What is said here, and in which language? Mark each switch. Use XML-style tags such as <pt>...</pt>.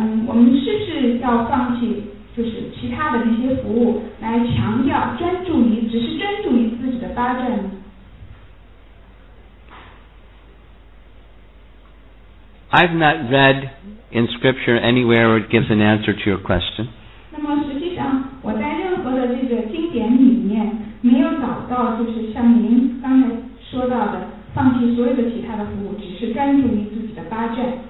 <zh>那么有的时候会有这样的情况，有的奉献者说我要放弃所有的其他的一些奉献服务，我只是专注于我自身的，我自己的一个发展，因为如果我的这个发展不去，就是说不变得那么浓烈的话，那么强烈的话，我是培养不出来，对，我是不能够到达巴瓦或者普利玛这样阶段的，所以就是，我们是不是要放弃？就是其他的那些服务来强调专注于只是专注于自己的发展。</zh> <en>I've not read in scripture anywhere where it gives an answer to your question.</en> <zh>那么实际上我在任何的这个经典里面没有找到就是像您刚才说到的放弃所有的其他的服务只是专注于自己的发展。</zh>